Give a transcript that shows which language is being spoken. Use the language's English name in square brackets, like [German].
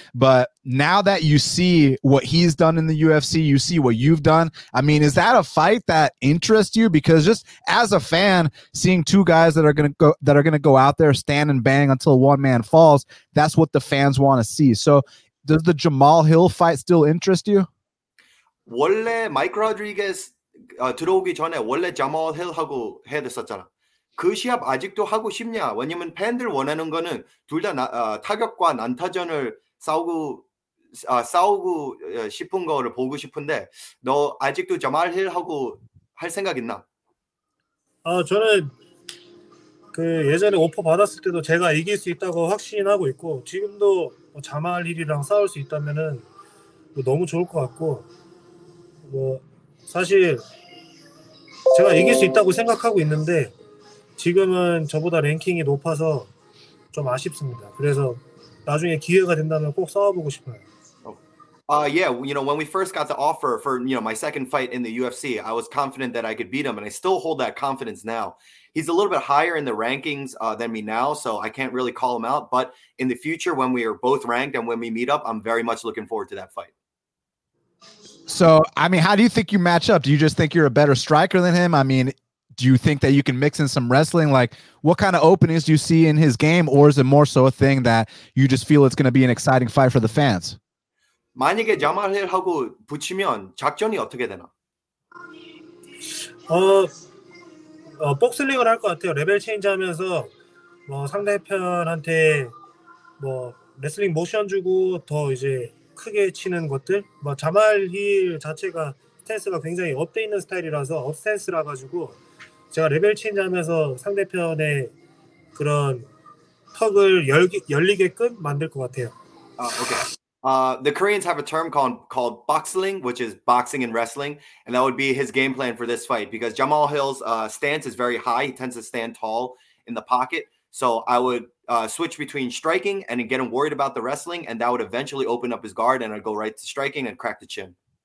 [English] But now that you see what he's done in the UFC, you see what you've done. I mean, is that a fight that interests you? Because just as a fan, seeing two guys that are gonna go out there, stand and bang until one man falls, that's what the fans want to see. So does the Jamal Hill fight still interest you? [Korean] 원래 마이크 로드리게스 들어오기 전에 원래 자마울 힐하고 해야 됐었잖아. 그 시합 아직도 하고 싶냐? 왜냐면 팬들 원하는 거는 둘 다 타격과 난타전을 싸우고 싶은 거를 보고 싶은데 너 아직도 자마울 힐하고 할 생각 있나? 저는 그 예전에 오퍼 받았을 때도 제가 이길 수 있다고 확신하고 있고 지금도 자마울 힐이랑 싸울 수 있다면은 너무 좋을 것 같고 뭐 사실 제가 이길 수 있다고 생각하고 있는데 지금은 저보다 랭킹이 높아서 좀 아쉽습니다. 그래서 나중에 기회가 된다면 꼭 싸워보고 싶어요. [English] Yeah, you know, when we first got the offer for, you know, my second fight in the UFC, I was confident that I could beat him, and I still hold that confidence now. He's a little bit higher in the rankings than me now, so I can't really call him out. But in the future, when we are both ranked and when we meet up, I'm very much looking forward to that fight. So, I mean, how do you think you match up? Do you just think you're a better striker than him? I mean, do you think that you can mix in some wrestling? Like, what kind of openings do you see in his game? Or is it more so a thing that you just feel it's going to be an exciting fight for the fans? [Korean] 만약에 자마울 힐하고 붙이면 작전이 어떻게 되나? 복슬링을 할 것 같아요. 레벨 체인지 하면서 뭐 상대편한테 뭐 레슬링 모션 주고 더 이제 크게 치는 것들. 뭐 자마울 힐 자체가 스탠스가 굉장히 업돼 있는 스타일이라서 업스탠스라 가지고 제가 레벨 체인지 하면서 상대편의 그런 턱을 열리게끔 만들 것 같아요. 아, 오케이. [English] The Koreans have a term called boxling, which is boxing and wrestling, and that would be his game plan for this fight because Jamal Hill's stance is very high. He tends to stand tall in the pocket, so I would switch between striking and get him worried about the wrestling, and that would eventually open up his guard, and I'd go right to striking and crack the chin.